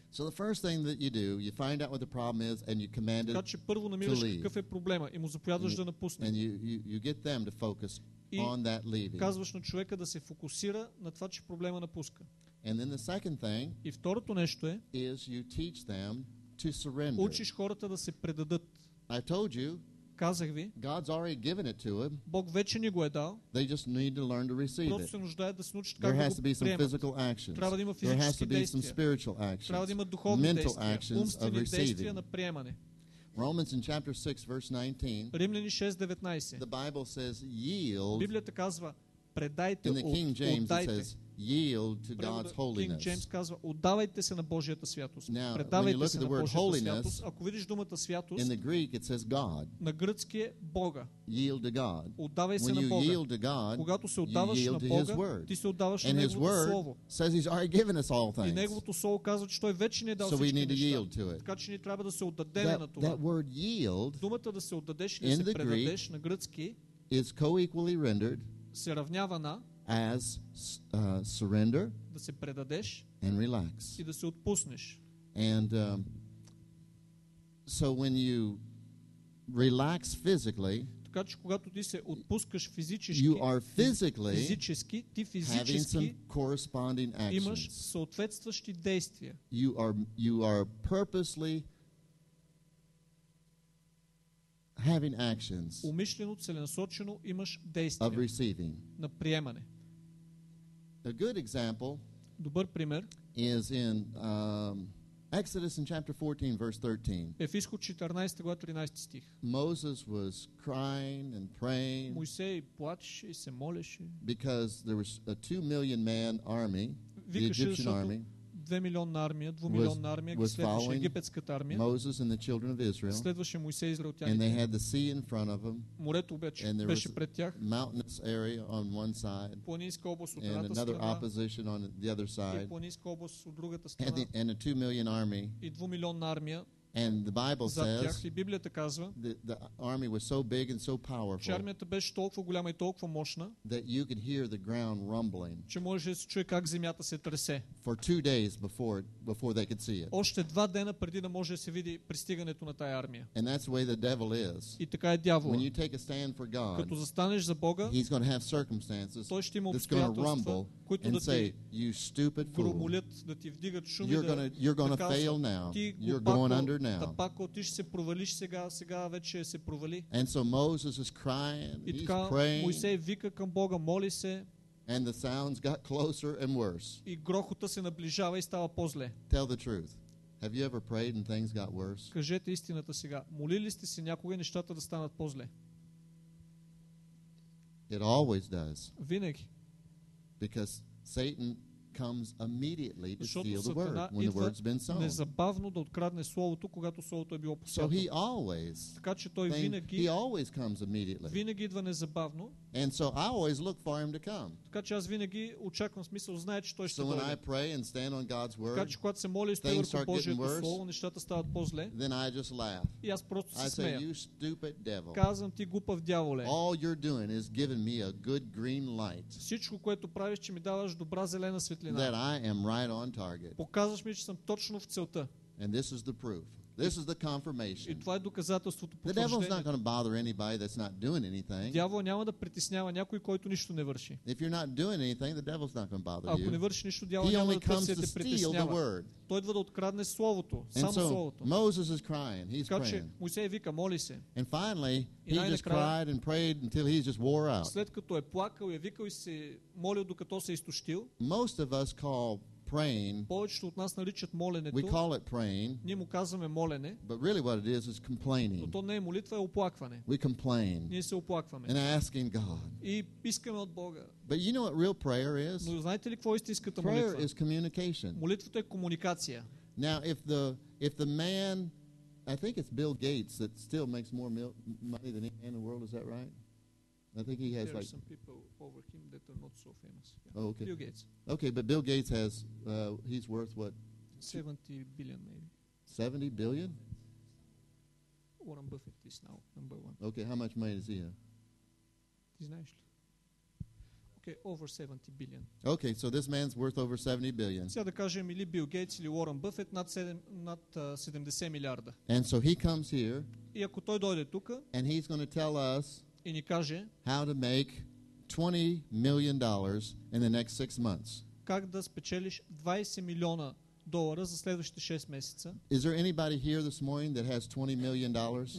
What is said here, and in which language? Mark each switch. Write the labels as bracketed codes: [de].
[en] So the first thing that you do, you find out what the problem is and you command it to leave. [bg] Първо намираш какъв е проблема и му заповядваш да напусне. [en] And you get them to focus on that leaving. [bg] И казваш на човека да се фокусира на това, че проблема напуска. [en] And then the second thing, [bg] и второто нещо е, [en] is you teach them to surrender. [bg] Учиш хората да се предадат. [en] I told you, [bg] казах ви, [en] God's already given it to him. [bg] Бог вече ни го е дал. [en] They just need to learn to receive it. [bg] Просто се нуждаят да се научат как да го приемат. [en] There has to be some physical actions. [bg] Трябва да има физически действия. [en] There has to be some spiritual actions. [bg] Трябва да има духовни [en] mental [bg] действия, умствени [en] of receiving. [bg] Действия на приемане. [en] Romans in chapter 6 verse 19. [bg] Римляни 6:19. [en] The Bible says yield. [bg] Библията казва предайте. [en] In the King James it says yield to God's holiness. [bg] King James казва отдавайте се на Божията святост. Предавайте се на Божията [en] holiness, [bg] святост. Ако видиш думата святост, [en] in the Greek it says God. [bg] На гръцки е Бога. [en] Yield to God. [bg] Отдавай [en] when [bg] се [en] you [bg] на Бога. [en] Yield to God, [bg] когато се отдаваш [en] yield [bg] на Бога, ти се отдаваш [en] and [bg] на Неговото Слово. [en] Says he's already given us all things. [bg] И Неговото Слово казва, че Той вече ни е дал [en] so [bg] всички неща. [en] Yield to it. [bg] Така че ни трябва да се отдадем на това. [en] That word yield, [bg] думата да се отдадеш или се предадеш на гръцки [en] is co-equally rendered [bg] се равнява на [en] as surrender [bg] да се предадеш [en] and relax [bg] и да се отпуснеш. [en] And so when you relax physically, [bg] така че когато ти се отпускаш физически, [en] you are physically [bg] физически, ти физически [en] having some corresponding actions. [bg] Имаш съответстващи действия. [en] You are purposely having actions. [bg] Умишлено, целенасочено имаш действия на приемане. [en] A good example [bg] добър пример [en] is in Exodus in chapter 14 verse 13. [bg] Ефискот 14 глава 13 стих. [en] Moses was crying and praying. [bg] Мойсей плачеше и се молеше. [en] Because there was a 2 million man army, the Egyptian army. [bg] 2 милионна армия, 2 милионна армия, ги следваше египетската армия. [en] Moses and the children of Israel. [bg] Следваше Мойсей и израелтяните. [en] And they had the sea in front of them. [bg] Морето беше пред тях. [en] Mountainous area on one side. [bg] Планинска област от едната страна. [en] And another opposition on the other side. [bg] И планинска област от другата страна. [en] And a 2 million army. [bg] И 2 милионна армия. [en] And the Bible says, [bg] и Библията казва, [en] the army was so big and so powerful, [bg] че армията беше толкова голяма и толкова мощна, [en] that you could hear the ground rumbling, [bg] че можеш да се чуе как земята се тресе, [en] for 2 days before they could see it. [bg] Още 2 дена преди да може да се види пристигането на тая армия. [en] And that's the way the devil is. [bg] И така е дяволът. [en] When you take a stand for God, [bg] като застанеш за Бога, [en] he's going to have circumstances, [bg] той ще има обстоятелства, които [en] and [bg] да [en] say, you stupid fool, [bg] громолят, да ти вдигат шум, [en] you're going to fail now, you're going under now. And so Moses is crying, he's praying, [bg] Мойсей вика към Бога, моли се, [en] and the sounds got closer and worse. [bg] И грохота се наближава и става по-зле. [en] Tell the truth. Have you ever prayed and things got worse? [bg] Кажете истината сега. Молили сте се някога и нещата да станат по-зле? [en] It always does. [bg] Винаги. [en] Because Satan comes immediately to steal the word when the word's been sown. [bg] Незабавно да открадне словото, когато словото е било посято. [en] So he always. [bg] Така че той винаги. [en] He always comes immediately. [bg] Винаги идва незабавно. [en] And so I always look for him to come. [bg] Така че аз винаги очаквам, смисъл, знае, че той ще дойде. [en] So when I pray and stand on God's word. [bg] Така че когато се моля и стоя върху Божието слово, нещата стават по-зле. [en] Then I just laugh. [bg] И аз просто се смея. [en] I say, you stupid devil. [bg] Казвам ти глупав дяволе. [en] All you're doing is giving me a good green light. [bg] Всичко, което правиш, че ми даваш добра зелена светлина. [en] That I am right on target. [bg] Показваш ми, че съм точно в целта. [en] And this is the proof. This is the confirmation. [bg] И това е доказателството. [en] The devil's not going to bother anybody that's not doing anything. [bg] Дявол няма да притеснява някой, който нищо не върши. [en] If you're not doing anything, the devil's not going to bother you. [bg] Ако не върши нищо, дявол няма да те се притеснява. Той идва да открадне словото, само словото. [en] Moses is crying. He's praying. [bg] Мойсей вика, моли се. [en] And finally, he just cried and prayed until he just wore out. [bg] След като е плакал и викал и се молил докато се изтощил. [en] Most of us call praying. [bg] Повечето от нас наричат моленето. [en] We call it praying. [bg] Ние му казваме молене. [en] But really what it is complaining. [bg] Но то не е молитва, е оплакване. [en] We complain. [bg] Ние се оплакваме. [en] And asking God. [bg] И искаме от Бога. [en] But you know what real prayer is? [bg] Но знаете ли какво е истинската молитва? [en] Prayer is communication. [bg] Молитвата е комуникация. [en] Now if the man, I think it's Bill Gates that still makes more money than any man in the world, is that right? I think he has there like some people over him that are not so famous. Yeah. Oh, okay. Bill Gates. Okay, but Bill Gates has he's worth what? 70 billion maybe. 70 billion? Warren Buffett is now number one. Okay, how much money does he have? [bg] Ти знаеш ли? [en] Okay, over 70 billion. Okay, so this man's worth over 70 billion. [bg] Сега да кажем или Бил Гейтс или Уорън Бъфет над 70 милиарда. [en] And so he comes here. [bg] И ако той дойде тук, [en] and he's going to tell us [bg] и ни каже [en] how to make $20 million in the next 6 months. [bg] Как да спечелиш 20 милиона долара за следващите 6 месеца? [en] Is there anybody here this morning that has $20 million?